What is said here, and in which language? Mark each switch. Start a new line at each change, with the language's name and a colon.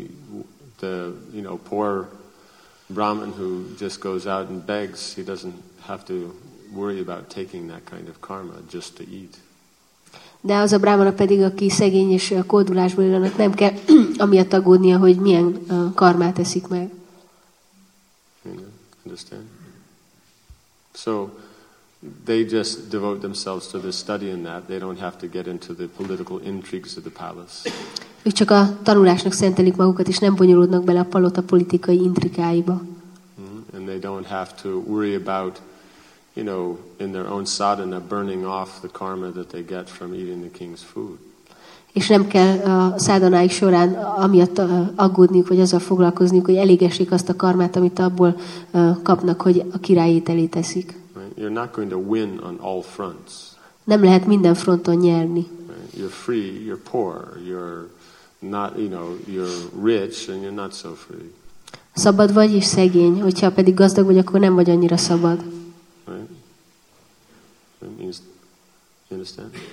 English: But the poor Brahmin who just goes out and begs, he doesn't have to worry about taking that kind of karma just to eat.
Hungarian: De az a brahmana pedig, aki szegény és kódulásból él, annak nem kell amiatt aggódnia, hogy milyen karmát eszik meg.
English: Understand? So they just devote themselves to the study in that. They don't have to get into the political intrigues of the palace.
Hungarian: Ők csak a tanulásnak szentelik magukat, és nem bonyolódnak bele a palota politikai intrikáiba.
English: And they don't have to worry about, you know, in their own sadhana burning off the karma that they get from eating the king's food.
Hungarian: És nem kell a szádanáik során amiatt aggódniuk, vagy azzal foglalkozniuk, hogy elégessék azt a karmát, amit abból kapnak, hogy a király ételét eszik.
English: You're not going to win on all fronts.
Hungarian: Nem lehet minden fronton nyerni.
English: You're free, you're poor, you're not, you know, you're rich and you're not so free.
Hungarian: Szabad vagy és szegény, hogyha pedig gazdag vagy, akkor nem vagy annyira szabad.
English: Right? That means, you understand?